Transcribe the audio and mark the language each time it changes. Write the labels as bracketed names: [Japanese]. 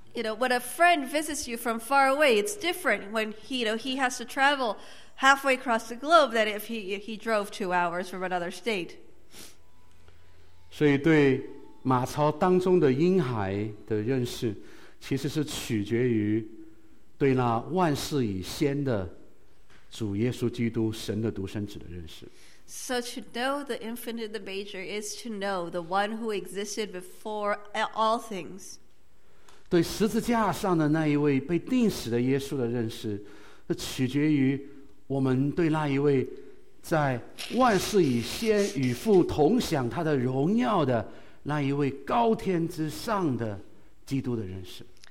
[English] You know, when a friend visits you from far away, it's different when he, you know, he has to travel halfway across the globe than if he drove 2 hours from another state. [Chinese] 所以对马槽当中的婴孩的认识。其实是取决于对那万事以先的主耶稣基督神的独生子的认识。 [English] So to know the infant and the manger is to know the one who existed before all things. [Chinese] 对十字架上的那一位被钉死的耶稣的认识，是取决于我们对那一位在万事以先与父同享他的荣耀的那一位高天之上的基督的认识。